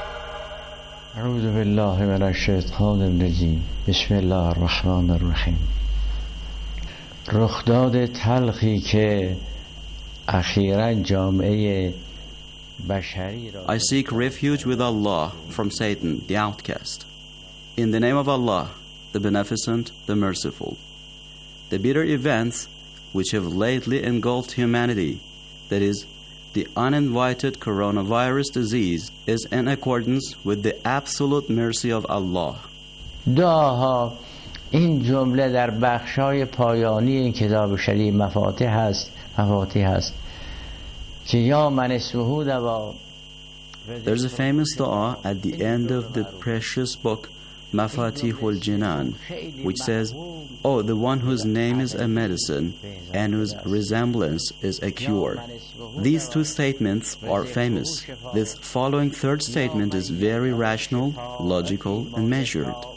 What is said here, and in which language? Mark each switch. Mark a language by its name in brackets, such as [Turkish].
[Arabic] الشيطان الرجيم بسم الله الرحمن الرحيم [Persian] رخداد تلخی که اخیراً جامعه بشری را [English] I seek refuge with Allah from Satan, the outcast. In the name of Allah, the Beneficent, the Merciful. The bitter events which have lately engulfed humanity, that is, the uninvited coronavirus disease, is in accordance with the absolute mercy of Allah. [Persian] دعاها این جمله در بخشای پایانی این کتاب شریف مفاتیح است که یا من سهود و [English] There's a famous dua at the end of the precious book مفاتیح الجنان which says Oh, the one whose name is a medicine and whose resemblance is a cure. These two statements are famous. This following third statement is very rational, logical, and measured.